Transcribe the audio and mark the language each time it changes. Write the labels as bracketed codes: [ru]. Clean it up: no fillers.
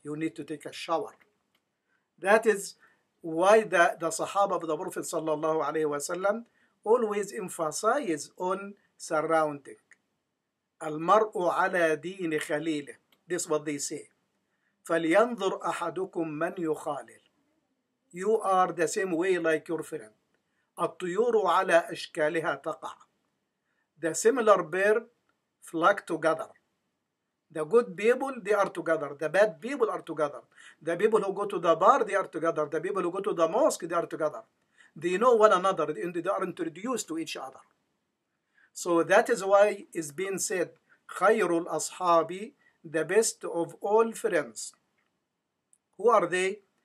[en] You need to take a shower. That is why the Sahaba of the Prophet sallallahu alayhi wasallam always emphasize on surrounding. [ar] المرء على دين خليله. [en] This is what they say. [ar] فلينظر أحدكم من يخالل. [en] You are the same way like your friend. [ar] الطيور على أشكالها تقع. [en] The similar bird flock together. The good people, they are together. The bad people are together. The people who go to the bar, they are together. The people who go to the mosque, they are together. They know one another, and they are introduced to each other. So that is why it's been said, khayrul ashabi, the best of all friends. Who are they?